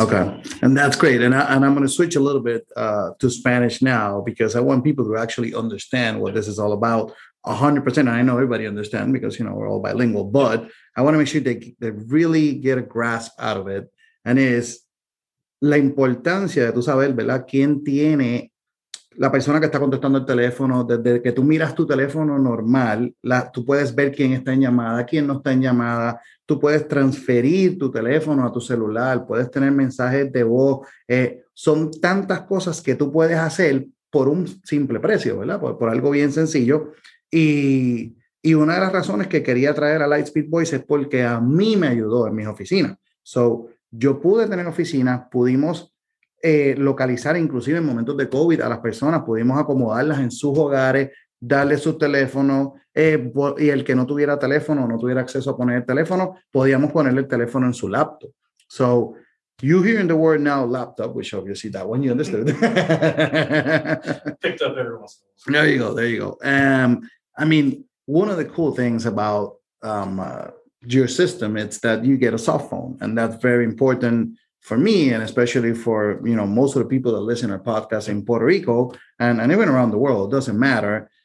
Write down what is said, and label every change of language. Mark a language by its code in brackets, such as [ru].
[en] Okay, and that's great. And I'm going to switch a little bit to Spanish now, because I want people to actually understand what this is all about. 100%, I know everybody understands because, we're all bilingual, but I want to make sure they really get a grasp out of it. And it's [es] la importancia de tu saber, ¿verdad? ¿Quién tiene la persona que está contestando el teléfono? Desde que tú miras tu teléfono normal, tú puedes ver quién está en llamada, quién no está en llamada. Tú puedes transferir tu teléfono a tu celular, puedes tener mensajes de voz. Son tantas cosas que tú puedes hacer por un simple precio, ¿verdad? Por algo bien sencillo. Y una de las razones que quería traer a Lightspeed Voice es porque a mí me ayudó en mis oficinas. So, yo pude tener oficinas, pudimos localizar inclusive en momentos de COVID a las personas, pudimos acomodarlas en sus hogares, darle su teléfono, y el que no tuviera teléfono o no tuviera acceso a poner el teléfono, podíamos ponerle el teléfono en su laptop. [en] So, you hearing the word now, laptop, which obviously that one you understood. Picked up everyone. There you go. I mean, one of the cool things about your system is that you get a soft phone, and that's very important for me, and especially for, most of the people that listen to podcasts in Puerto Rico and even around the world, it doesn't matter.